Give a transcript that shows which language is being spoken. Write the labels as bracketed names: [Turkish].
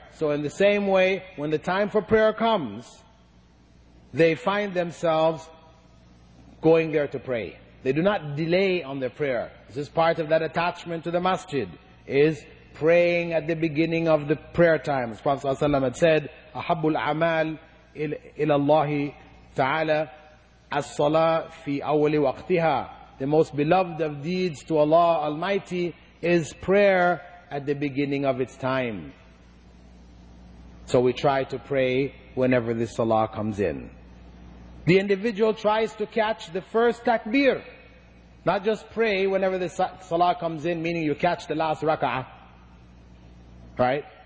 [English] So in the same way, when the time for prayer comes, they find themselves going there to pray. They do not delay on their prayer. This is part of that attachment to the masjid, is praying at the beginning of the prayer time. The Prophet ﷺ had said, [Arabic] أَحَبُّ الْعَمَالِ إِلَى اللَّهِ تَعَالَى الصَّلَاةِ فِي أَوَلِ وَقْتِهَا. [English] The most beloved of deeds to Allah Almighty is prayer at the beginning of its time. So we try to pray whenever the salah comes in. The individual tries to catch the first takbir. Not just pray whenever the salah comes in, meaning you catch the last rak'ah. Right?